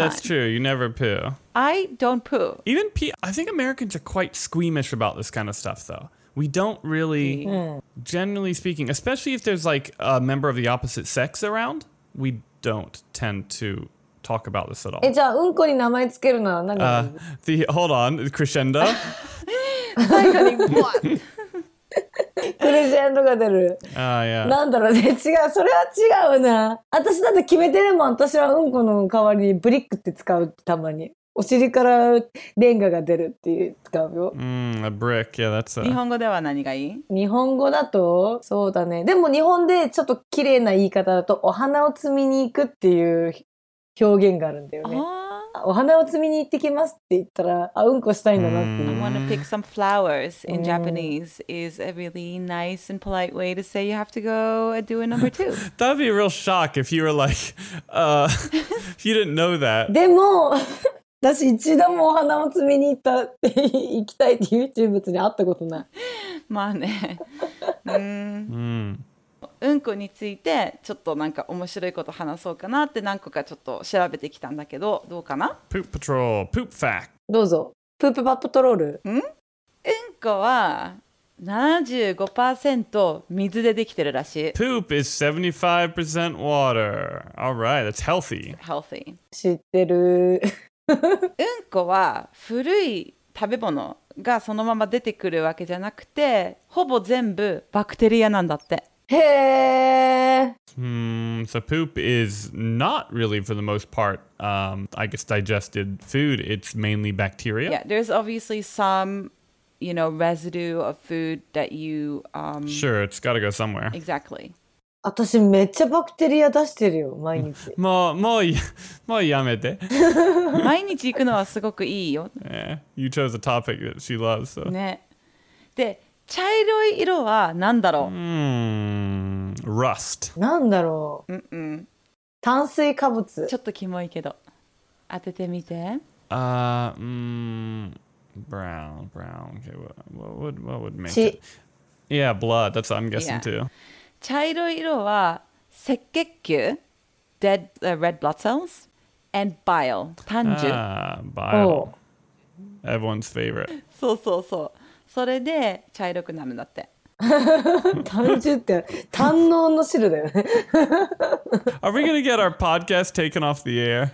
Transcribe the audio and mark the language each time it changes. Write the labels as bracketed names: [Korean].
[English] That's true. You never poo. I don't poo. Even pee. I think Americans are quite squeamish about this kind of stuff, though. We don't really, generally speaking, especially if there's like a member of the opposite sex around, we don't tend to talk about this at all. [Japanese] じゃあ、うんこに名前つけるのは何だろう? [English] Hold on. Crescendo. [Japanese] 最後に、 [English] what? [Japanese] クレジェンドが出る。 [English] Yeah. [Japanese] なんだろうね。違う。それは違うな。私だって決めてるもん。私はうんこの代わりにブリックって使う、たまに。お尻からレンガが出るっていう使うよ。 [English] A brick. Yeah, that's a... [Japanese] 日本語では何がいい？日本語だと、そうだね。でも日本でちょっと綺麗な言い方だと、お花を摘みに行くっていう表現があるんだよね。お花を摘みに行ってきますって言ったら、あ、うんこしたいんだなっていう。 [English] I want to pick some flowers in Japanese is a really nice and polite way to say you have to go do a number two. That would be a real shock if you were like, if you didn't know that. [Japanese] でも、私一度もお花を摘みに行ったって行きたいっていう人物に会ったことない。まあね。うんこについてちょっとなんか面白いこと話そうかなって何個かちょっと調べてきたんだけど、どうかな？ [English] Poop Patrol, Poop Fact. [Japanese] どうぞ。 [English] Poop Patrol? [Japanese] うんこは 75% 水でできてるらしい。 [English] Poop is 75% water. Alright, that's healthy. Healthy. [Japanese] 知ってる。うんこは古い食べ物がそのまま出てくるわけじゃなくて、ほぼ全部バクテリアなんだって。へー。 [English] So poop is not really, for the most part, I guess, digested food. It's mainly bacteria. Yeah, there's obviously some, you know, residue of food that you... Sure, it's got to go somewhere. Exactly. [Japanese] 私めっちゃバクテリア出してるよ、毎日。もうやめて。毎日行くのはすごくいいよ。 [English] You chose a topic that she loves, so... [Japanese] ね。で、茶色い色は何だろう？ [English] Rust。 [Japanese] 何だろう？炭水化物。ちょっとキモいけど。当ててみて。 [English] Brown. Okay, what would make it? Yeah, blood. That's what I'm guessing too. [Japanese] 茶色い色は赤血球、 [English] red blood cells, and bile, [Japanese] 胆汁。 [English] Bile. Oh. Everyone's favorite. [Japanese] そうそうそう。それで茶色くなるんだって。単純って胆のうの汁だよね。 [English] Are we gonna get our podcast taken off the air?